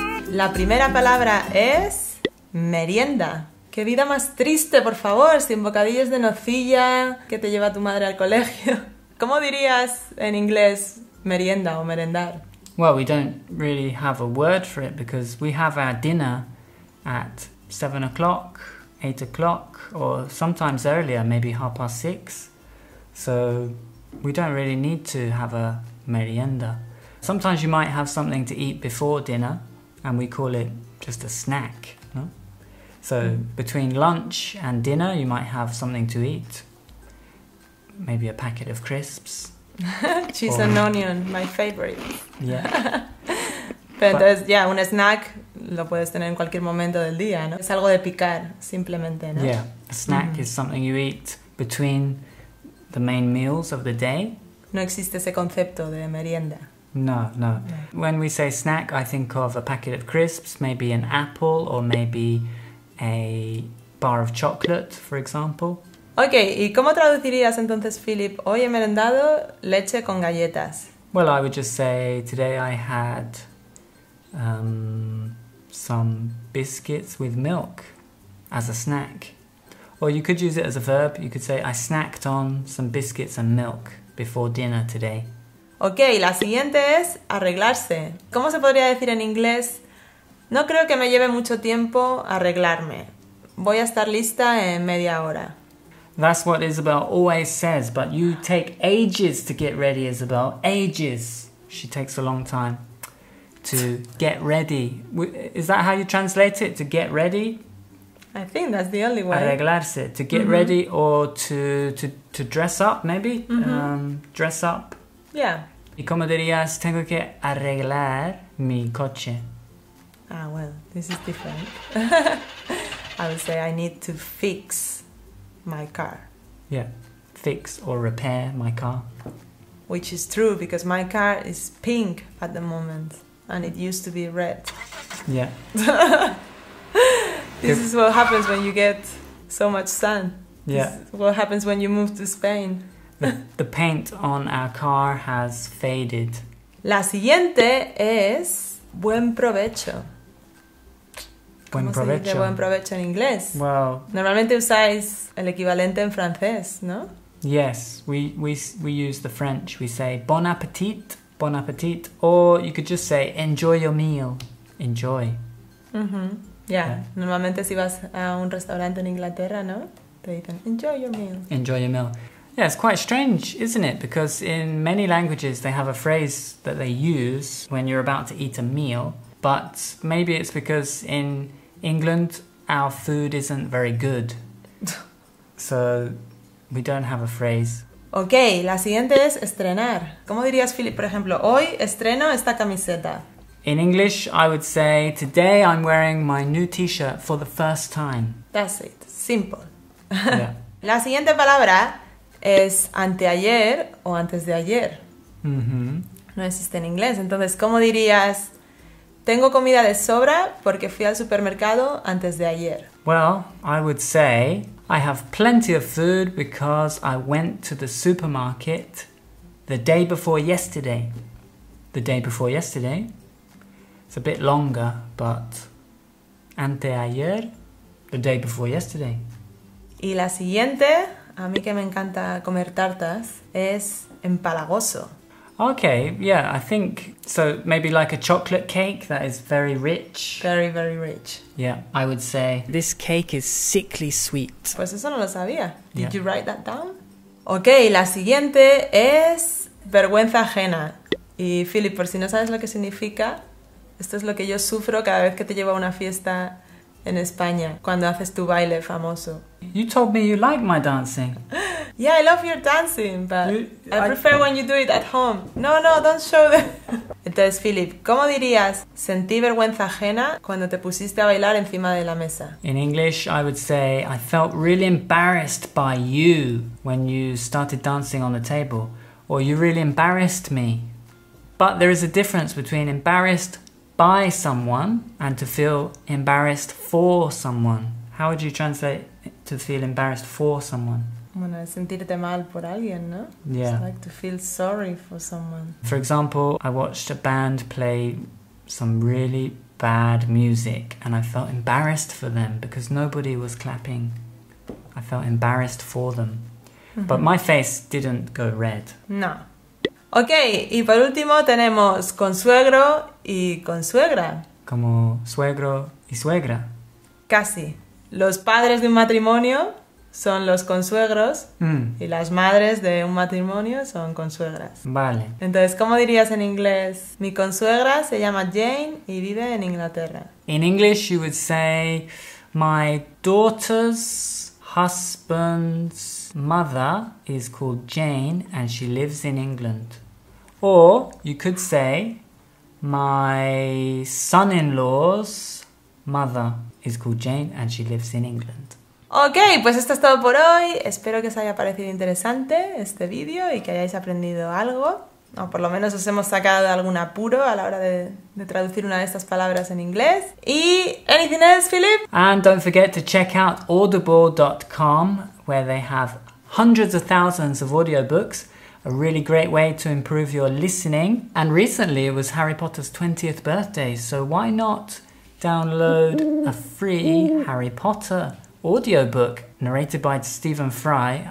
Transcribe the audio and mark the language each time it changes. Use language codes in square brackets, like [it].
[es] La primera palabra es merienda. ¡Qué vida más triste, por favor! Sin bocadillos de nocilla, que te lleva tu madre al colegio. ¿Cómo dirías en inglés merienda o merendar? [en] Well, we don't really have a word for it because we have our dinner at 7 o'clock, 8 o'clock, or sometimes earlier, maybe 6:30. So we don't really need to have a merienda. Sometimes you might have something to eat before dinner and we call it just a snack. So between lunch and dinner, you might have something to eat. Maybe a packet of crisps. Cheese and onion, my favorite. Yeah. [es] Pero entonces, yeah, un snack lo puedes tener en cualquier momento del día, ¿no? Es algo de picar, simplemente, ¿no? [en] Yeah, a snack is something you eat between the main meals of the day. [es] No existe ese concepto de merienda. [en] No. When we say snack, I think of a packet of crisps, maybe an apple, or maybe a bar of chocolate, for example. [es] Okay, ¿y cómo traducirías entonces, Philip? Hoy he merendado leche con galletas. [en] Well, I would just say today I had some biscuits with milk as a snack. Or you could use it as a verb. You could say I snacked on some biscuits and milk before dinner today. [es] Okay, la siguiente es arreglarse. ¿Cómo se podría decir en inglés? No creo que me lleve mucho tiempo arreglarme. Voy a estar lista en media hora. [en] That's what Isabel always says, but you take ages to get ready, Isabel. Ages. She takes a long time to get ready. Is that how you translate it? To get ready? I think that's the only way. Arreglarse. To get ready or to dress up, maybe? Dress up. Yeah. [es] ¿Y cómo dirías, tengo que arreglar mi coche? [en] Ah, well, this is different. I would say I need to fix my car. Yeah, fix or repair my car. Which is true because my car is pink at the moment and it used to be red. Yeah. This is what happens when you get so much sun. Yeah. This is what happens when you move to Spain. The paint on our car has faded. [es] La siguiente es buen provecho. Buen provecho. ¿Cómo se dice buen provecho en inglés? [en] Well, [es] normalmente usáis el equivalente en francés, ¿no? [en] Yes, we use the French. We say bon appetit, or you could just say enjoy your meal, enjoy. Yeah. [es] Normalmente si vas a un restaurante en Inglaterra, ¿no? Te dicen [en] enjoy your meal. Enjoy your meal. Yeah, it's quite strange, isn't it? Because in many languages they have a phrase that they use when you're about to eat a meal. But maybe it's because in England, our food isn't very good. So we don't have a phrase. [es] Okay, la siguiente es estrenar. ¿Cómo dirías, Philip, por ejemplo, hoy estreno esta camiseta? [en] In English, I would say, today I'm wearing my new t-shirt for the first time. That's it. Simple. Yeah. [es] La siguiente palabra es anteayer o antes de ayer. No existe en inglés. Entonces, ¿cómo dirías? Tengo comida de sobra porque fui al supermercado antes de ayer. [en] Well, I would say I have plenty of food because I went to the supermarket the day before yesterday. The day before yesterday. It's a bit longer, but anteayer, the day before yesterday. [es] Y la siguiente, a mí que me encanta comer tartas, es empalagoso. [en] Okay, yeah, I think, so maybe like a chocolate cake that is very rich. Very, very rich. Yeah, I would say, this cake is sickly sweet. [es] Pues eso no lo sabía. [en] Did you write that down? [es] Okay, la siguiente es vergüenza ajena. Y Philip, por si no sabes lo que significa, Esto es lo que yo sufro cada vez que te llevo a una fiesta en España, cuando haces tu baile famoso. [en] You told me you like my dancing. Yeah, I love your dancing, but I prefer when you do it at home. No, no, don't show them. [es] Entonces, Philip, ¿cómo dirías sentí vergüenza ajena cuando te pusiste a bailar encima de la mesa? [en] In English, I would say I felt really embarrassed by you when you started dancing on the table. Or you really embarrassed me. But there is a difference between embarrassed by someone and to feel embarrassed for someone. How would you translate to feel embarrassed for someone? [es] Bueno, sentirte mal por alguien, ¿no? [en] Yeah. It's like to feel sorry for someone. For example, I watched a band play some really bad music and I felt embarrassed for them because nobody was clapping. I felt embarrassed for them. Mm-hmm. But my face didn't go red. No. [es] Okay, y por último tenemos consuegro y consuegra. Como suegro y suegra. Casi. Los padres de un matrimonio son los consuegros y las madres de un matrimonio son consuegras. Vale. Entonces, ¿cómo dirías en inglés? Mi consuegra se llama Jane y vive en Inglaterra. [en] In English you would say my daughter's husband's mother is called Jane and she lives in England. Or you could say my son-in-law's mother is called Jane and she lives in England. [es] Ok, pues esto es todo por hoy. Espero que os haya parecido interesante este vídeo y que hayáis aprendido algo. O por lo menos os hemos sacado de algún apuro a la hora de traducir una de estas palabras en inglés. [en] Y, ¿anything else, Philip? And don't forget to check out audible.com where they have hundreds of thousands of audiobooks. A really great way to improve your listening. And recently it was Harry Potter's 20th birthday, so why not download a free Harry Potter audiobook narrated by Stephen Fry.